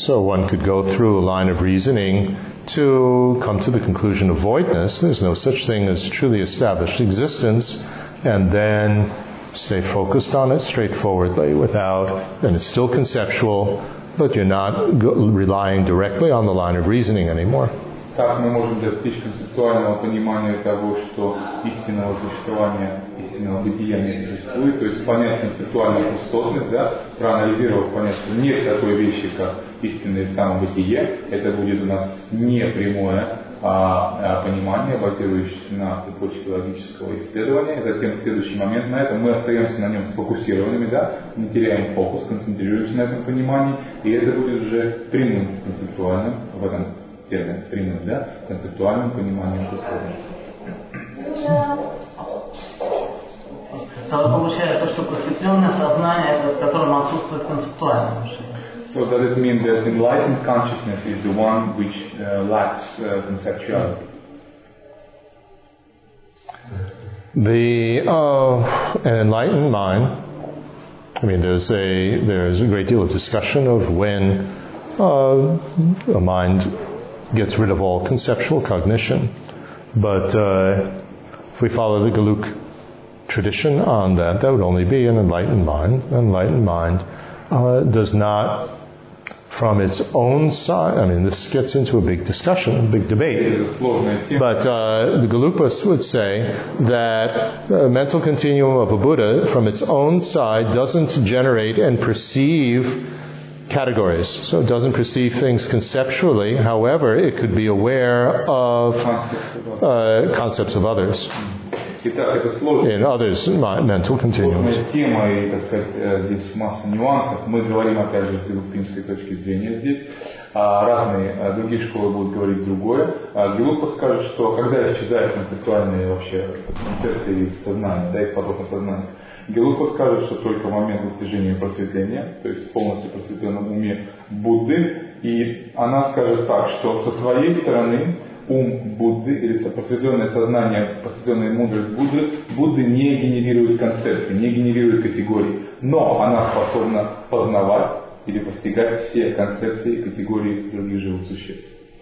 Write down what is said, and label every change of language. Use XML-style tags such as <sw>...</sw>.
<en>So one could go through a line of reasoning to come to the conclusion of voidness. There's no such thing as truly established existence, and then stay focused on it straightforwardly without, and it's still conceptual. But you're not relying directly on the line of reasoning anymore.</en> <ru>Так мы можем достичь концептуального понимания того, что истинного существования, истинного бытия не существует, то есть понять концептуальную пустотность, да, проанализировав понять, что нет такой вещи, как истинное самобытие, это будет у нас не прямое понимание, базирующееся на цепочке логического исследования. Затем следующий момент на этом, мы остаемся на нем сфокусированными, да, мы теряем фокус, концентрируемся на этом понимании, и это будет уже прямым концептуальным, в этом термине прямым, да, концептуальным пониманием. Да, получается, что просветленное сознание, в котором отсутствует концептуальное мышление.</ru> <en>So does it mean that enlightened consciousness is the one which lacks conceptuality? An enlightened mind, I mean, there's a great deal of discussion of when a mind gets rid of all conceptual cognition. But if we follow the Galuk tradition on that, that would only be an enlightened mind. An enlightened mind does not, from its own side, I mean, this gets into a big discussion, a big debate. But the Galupas would say that the mental continuum of a Buddha, from its own side, doesn't generate and perceive categories. So it doesn't perceive things conceptually. However, it could be aware of concepts of others.</en> <ru>Итак, это сложная</ru> <en>mental continuum.</en> <ru>Тема, и, так сказать, здесь масса нюансов. Мы говорим, опять же, с галупинской точки зрения здесь. Разные другие школы будут говорить другое. Галупа скажет, что когда исчезает концептуальная вообще концепция из сознания, да, из потока сознания, Галупа скажет, что только в момент достижения просветления, то есть в полностью просветленном уме Будды, и она скажет так, что со своей стороны ум Будды или просветленное сознание, просветленная мудрость Будды, Будды не генерирует концепции, не генерирует категории, но она способна познавать или постигать все концепции и категории других живых существ.</ru>